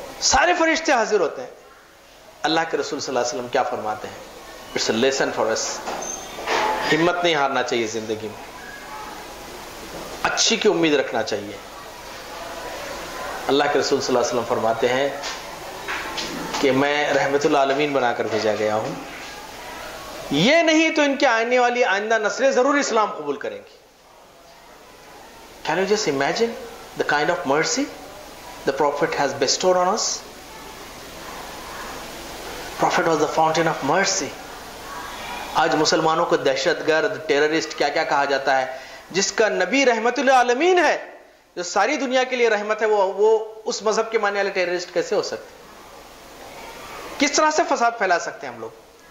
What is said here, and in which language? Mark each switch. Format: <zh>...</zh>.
<ur>سارے فرشتے حاضر ہوتے ہیں, اللہ کے رسول صلی اللہ علیہ وسلم کیا فرماتے ہیں,</ur> <en>it's a lesson for us,</en> <ur>ہمت نہیں ہارنا چاہیے زندگی میں, اچھی کی امید رکھنا چاہیے. اللہ کے رسول صلی اللہ علیہ وسلم فرماتے ہیں کہ میں رحمت العالمین بنا کر بھیجا گیا ہوں, یہ نہیں تو ان کے آنے والی آئندہ نسلیں ضرور اسلام قبول کریں گی.</ur> <en>Can you just imagine the kind of mercy the Prophet has bestowed on us? Prophet was the fountain of mercy.</en> <ur>آج مسلمانوں کو دہشت گرد, ٹیررسٹ, کیا کیا کہا جاتا ہے, جس کا نبی رحمت العالمین ہے, جو ساری دنیا کے لیے رحمت ہے, وہ اس مذہب کے ماننے والے ٹیررسٹ کیسے ہو سکتے, کس طرح سے فساد پھیلا سکتے ہیں ہم لوگ.</ur>